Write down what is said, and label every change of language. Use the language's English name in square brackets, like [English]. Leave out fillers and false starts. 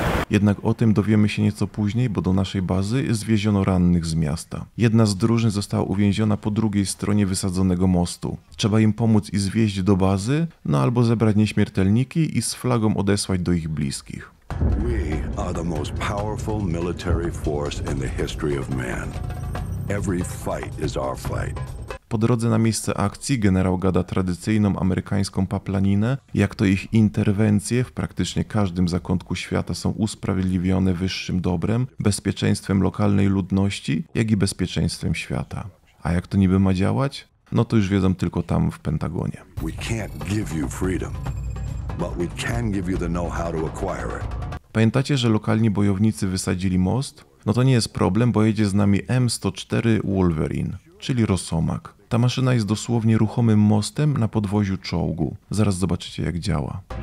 [Polish] Jednak o tym dowiemy się nieco później, bo do naszej bazy zwieziono rannych z miasta. Jedna z drużyn została uwięziona po drugiej stronie wysadzonego mostu. Trzeba im pomóc i zwieźć do bazy, no albo zebrać nieśmiertelniki i z flagą odesłać do ich bliskich. [English] We are the most powerful military force in the history of man. Every fight is our fight. [Polish] Po drodze na miejsce akcji generał gada tradycyjną amerykańską paplaninę, jak to ich interwencje w praktycznie każdym zakątku świata są usprawiedliwione wyższym dobrem, bezpieczeństwem lokalnej ludności, jak i bezpieczeństwem świata. A jak to niby ma działać? No to już wiedzą tylko tam w Pentagonie. [English] We can't give you freedom, but we can give you the know-how to acquire it. [Polish] Pamiętacie, że lokalni bojownicy wysadzili most? No to nie jest problem, bo jedzie z nami M-104 Wolverine. Czyli Rosomak. Ta maszyna jest dosłownie ruchomym mostem na podwoziu czołgu. Zaraz zobaczycie, jak działa.